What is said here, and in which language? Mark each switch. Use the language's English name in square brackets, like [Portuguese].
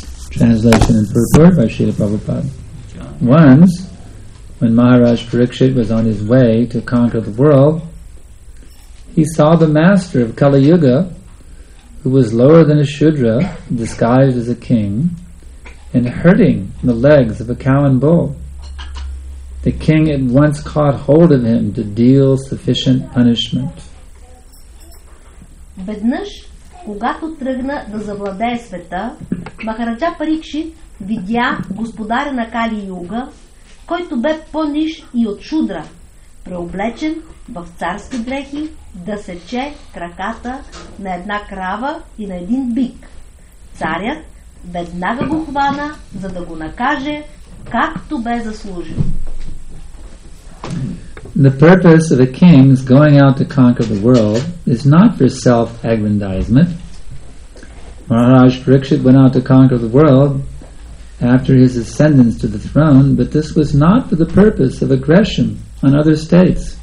[English] Translation and purport by Srila Prabhupada. Once, when Maharaj Parikshit was on his way to conquer the world, he saw the master of Kali Yuga, who was lower than a shudra, disguised as a king, and hurting the legs of a cow and bull. The king at once caught hold of him to deal sufficient punishment. [Bulgarian] Веднъж, когато тръгна да завладее света, Махараджа Парикшит видя господаря на Кали Юга, който бе по-ниж и от шудра, преоблечен в царски дрехи, да сече краката на една крава и на един бик. Царят веднага го хвана, за да го накаже, както бе заслужил. [English] The purpose of a king's going out to conquer the world is not for self-aggrandizement. Maharaj Parikshit went out to conquer the world after his ascendance to the throne, but this was not for the purpose of aggression on other states.